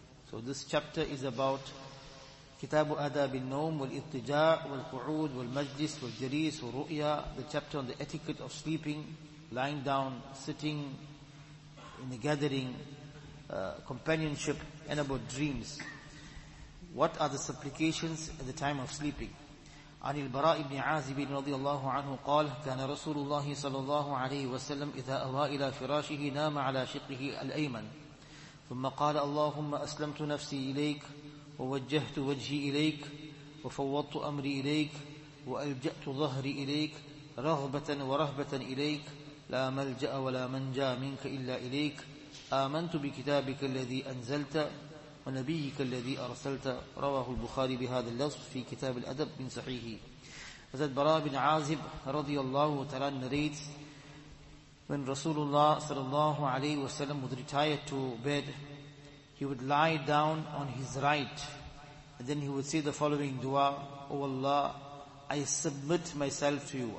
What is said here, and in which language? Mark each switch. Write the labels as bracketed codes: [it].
[en] So this chapter is about Kitabu Adab al-Nawm, wal-Ittija' wal-Qu'ud wal-Majlis wal-Jalis wal-Ru'ya, the chapter on the etiquette of sleeping, lying down, sitting in a gathering, companionship, and about dreams. What are the supplications at the time of sleeping? [ar] عن البراء بن عازب رضي الله عنه قال كان رسول الله صلى الله عليه وسلم إذا أوى إلى فراشه نام على شقه الأيمن ثم قال اللهم أسلمت نفسي إليك ووجهت وجهي إليك وفوضت أمري إليك وألجأت ظهري إليك رغبة ورهبة إليك لا ملجأ ولا منجا منك إلا إليك آمنت بكتابك الذي أنزلت وَنَبِيِّكَ الَّذِي أَرْسَلْتَ رَوَاهُ الْبُخَارِ بِهَذَا اللَّفْظِ فِي كِتَابِ الْأَدَبِ مِنْ صَحِيحِ. [en] Hazrat Bara bin Azib radiallahu ta'ala narrates, when Rasulullah sallallahu alayhi wa sallam would retire to bed, he would lie down on his right, and then he would say the following dua, O Allah, I submit myself to you.